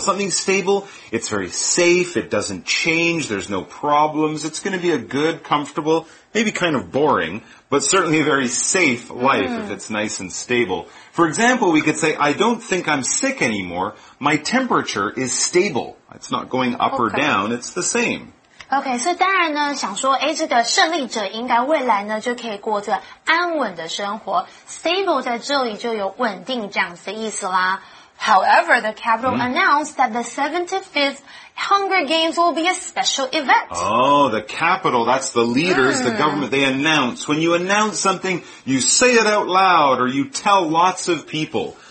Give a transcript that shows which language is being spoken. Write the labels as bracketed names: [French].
[English] Something stable, it's very safe, it doesn't change, there's no problems, it's going to be a good, comfortable, maybe kind of boring, but certainly a very safe life if it's nice and stable. For example, we could say, I don't think I'm sick anymore. My temperature is stable. It's not going up or down, it's the same. [Chinese] OK, 所以当然呢想说这个胜利者应该未来呢就可以过这个安稳的生活。 Stable 在这里就有稳定这样子的意思啦。 [English] However, the capital announced that the 75th Hunger Games will be a special event. Oh, the capital, that's the leaders, the government, they announce. When you announce something, you say it out loud or you tell lots of people.